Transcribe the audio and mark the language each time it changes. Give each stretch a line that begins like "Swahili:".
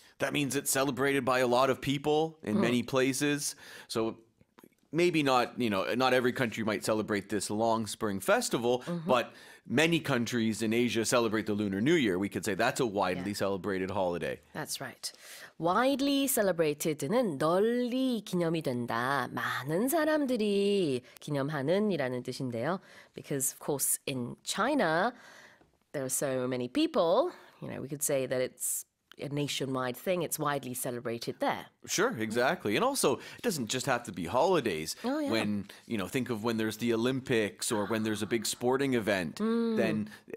English: That means it's celebrated by a lot of people in many places. So maybe not, you know, not every country might celebrate this long spring festival, but many countries in Asia celebrate the Lunar New Year. We could say that's a widely celebrated holiday. That's right. Widely celebrated는
Korean: 널리 기념이 된다. 많은 사람들이 기념하는이라는 뜻인데요.
English: Because, of course, in China, there are so many people. You know, we could say that it's a nationwide thing. It's widely celebrated there. Sure, exactly. And also, it doesn't just have to be holidays. Oh, yeah. When, you know, think of when there's the Olympics or when there's a big sporting event, then...